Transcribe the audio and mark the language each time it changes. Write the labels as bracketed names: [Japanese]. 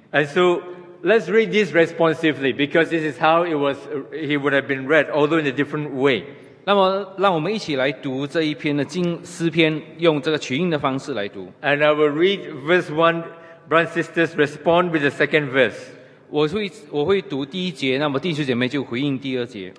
[English] And so let's read this responsively because this is how he would have been read, although in a different way. [Chinese] 那么让我们一起来读这一篇的诗篇，用这个取音的方式来读。 [English] And I will read verse 1, brothers and sisters respond with the second verse. [Chinese] 我会读第一节，那么弟兄姐妹就回应第二节。